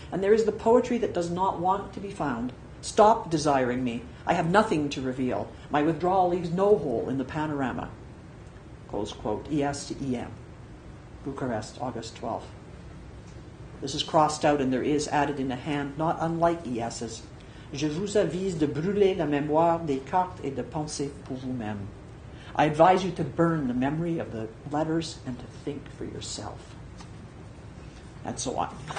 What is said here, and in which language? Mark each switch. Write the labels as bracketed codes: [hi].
[en] And there is the poetry that does not want to be found. Stop desiring me. I have nothing to reveal. My withdrawal leaves no hole in the panorama. Close quote. ES to EM. Bucharest, August 12th. This is crossed out and there is added in a hand, not unlike ES's. [fr] Je vous avise de brûler la mémoire des cartes et de penser pour vous-même. [en] I advise you to burn the memory of the letters and to think for yourself. And so on.